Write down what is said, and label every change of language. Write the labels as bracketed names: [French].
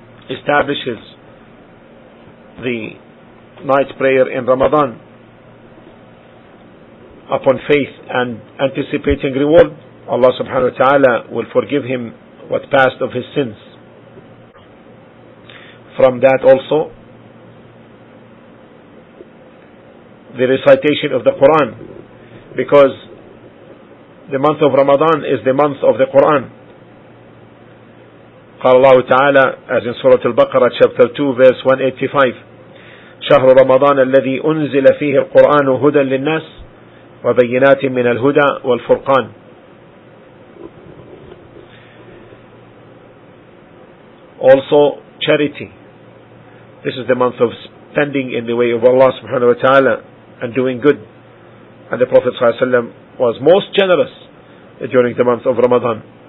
[English] establishes the night prayer in Ramadan upon faith and anticipating reward, Allah subhanahu wa ta'ala will forgive him what passed of his sins. From that also, the recitation of the Quran, because the month of Ramadan is the month of the Quran. [Arabic] قال الله تعالى [English] as in Surah Al-Baqarah chapter 2 verse 185 [Arabic] شهر رمضان الذي أنزل فيه القرآن هدى للناس وبينات من الهدى والفرقان. [English] Also charity, this is the month of spending in the way of Allah subhanahu wa ta'ala and doing good, and the Prophet [Arabic] صلى الله عليه وسلم [English] was most generous during the month of Ramadan.